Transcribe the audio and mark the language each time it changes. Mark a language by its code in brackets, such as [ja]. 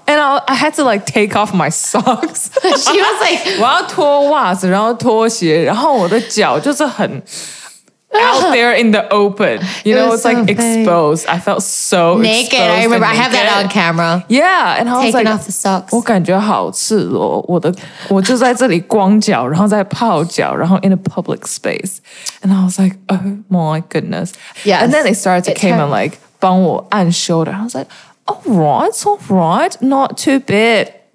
[en] And I had to like take off my socks. She was like, [zh] 我要脱袜子，然后脱鞋，然后我的脚就是很 [en] out there in the open. You know, it's like exposed. I felt so naked. I remember I have that on camera. Yeah. And I was like, taking off the socks. [zh] 我感觉好赤裸，我就在这里光脚，然后在泡脚，然后 [en] in a public space. And I was like, oh my goodness. Yes. And then they started to came and like [zh] 帮我按 [en] shoulder. I was like, all right. Not too bad.